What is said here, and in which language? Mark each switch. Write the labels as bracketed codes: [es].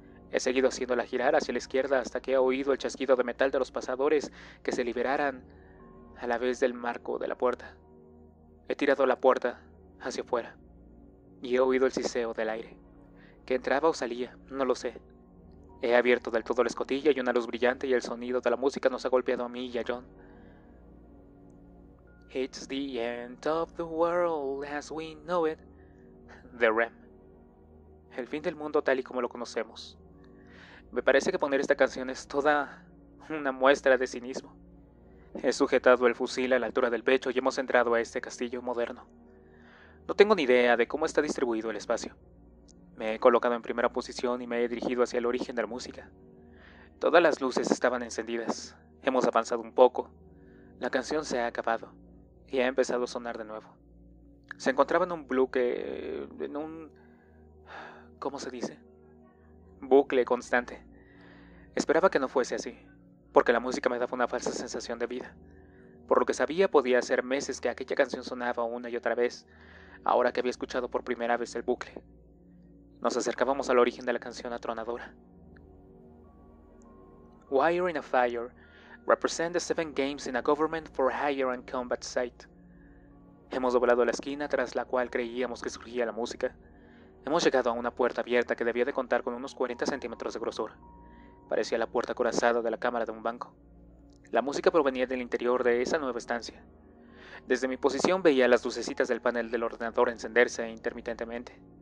[es] He seguido haciéndola girar hacia la izquierda hasta que he oído el chasquido de metal de los pasadores que se liberaran a la vez del marco de la puerta. He tirado la puerta hacia afuera y he oído el siseo del aire. ¿Que entraba o salía? No lo sé. He abierto del todo la escotilla y una luz brillante y el sonido de la música nos ha golpeado a mí y a John. [en] It's the end of the world as we know it. The REM. [es] El fin del mundo tal y como lo conocemos. Me parece que poner esta canción es toda una muestra de cinismo. He sujetado el fusil a la altura del pecho y hemos entrado a este castillo moderno. No tengo ni idea de cómo está distribuido el espacio. Me he colocado en primera posición y me he dirigido hacia el origen de la música. Todas las luces estaban encendidas. Hemos avanzado un poco. La canción se ha acabado y ha empezado a sonar de nuevo. Se encontraba en un bloque, en un... ¿cómo se dice? Bucle constante. Esperaba que no fuese así, porque la música me daba una falsa sensación de vida. Por lo que sabía, podía ser meses que aquella canción sonaba una y otra vez, ahora que había escuchado por primera vez el bucle. Nos acercábamos al origen de la canción atronadora. [en] Wire in a fire, represent the seven games in a government for hire and combat site. [es] Hemos doblado la esquina tras la cual creíamos que surgía la música. Hemos llegado a una puerta abierta que debía de contar con unos 40 centímetros de grosor. Parecía la puerta acorazada de la cámara de un banco. La música provenía del interior de esa nueva estancia. Desde mi posición veía las lucecitas del panel del ordenador encenderse intermitentemente.